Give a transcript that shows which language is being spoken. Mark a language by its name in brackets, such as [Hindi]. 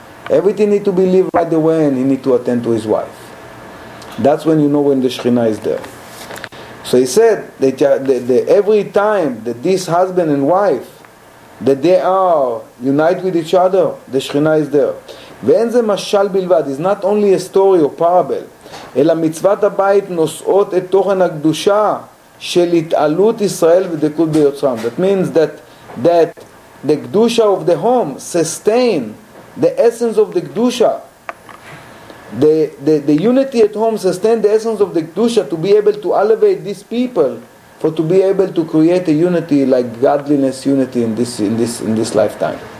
[English] Everything needs to be lived right away and he needs to attend to his wife. That's when you know when the Shekhinah is there. So he said that every time that this husband and wife, that they are united with each other, the Shekhinah is there. [Hebrew] ואין זה משל בלבד, [English] it's not only a story or parable, [Hebrew] אלא מצוות הבית נושאות את תוכן הקדושה של התעלות ישראל ודקות ביוצרם. [English] That means that the קדושה of the home sustain the essence of the קדושה. The unity at home sustain the essence of the קדושה to be able to elevate these people, for to be able to create a unity like godliness unity in this lifetime.